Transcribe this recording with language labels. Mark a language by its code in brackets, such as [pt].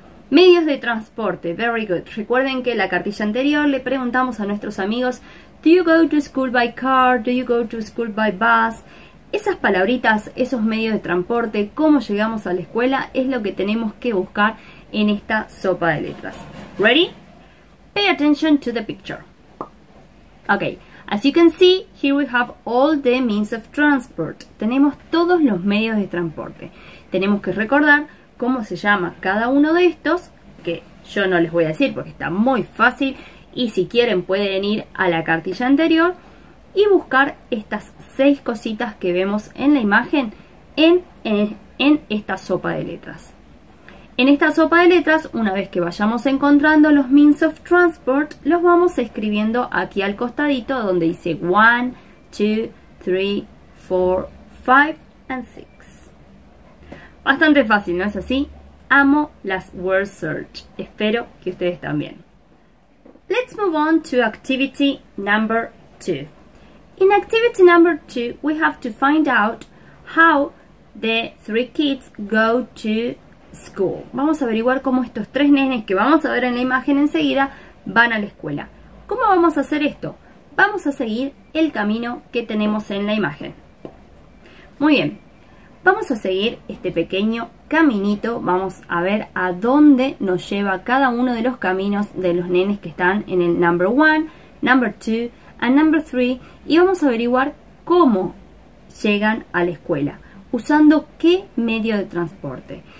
[es] Medios de transporte. [en] Very good. [es] Recuerden que en la cartilla anterior le preguntamos a nuestros amigos, [en] ¿do you go to school by car? ¿Do you go to school by bus? [es] Esas palabritas, esos medios de transporte, cómo llegamos a la escuela, es lo que tenemos que buscar en esta sopa de letras. [en] Ready? Pay attention to the picture. Okay, as you can see, here we have all the means of transport. [es] Tenemos todos los medios de transporte. Tenemos que recordar cómo se llama cada uno de estos, que yo no les voy a decir porque está muy fácil, y si quieren pueden ir a la cartilla anterior y buscar estas 6 cositas que vemos en la imagen en esta sopa de letras. En esta sopa de letras, una vez que vayamos encontrando los means of transport, los vamos escribiendo aquí al costadito donde dice 1, 2, 3, 4, 5 and 6. Bastante fácil, ¿no es así? Amo las word search. Espero que ustedes también. [en] Let's move on to activity number 2. In activity number 2, we have to find out how the 3 kids go to school. [es] Vamos a averiguar cómo estos 3 nenes que vamos a ver en la imagen enseguida van a la escuela. ¿Cómo vamos a hacer esto? Vamos a seguir el camino que tenemos en la imagen. Muy bien, vamos a seguir este pequeño caminito. Vamos a ver a dónde nos lleva cada uno de los caminos de los nenes que están en el [en] number 1, number 2, and number 3, [es] y vamos a averiguar cómo llegan a la escuela, usando qué medio de transporte.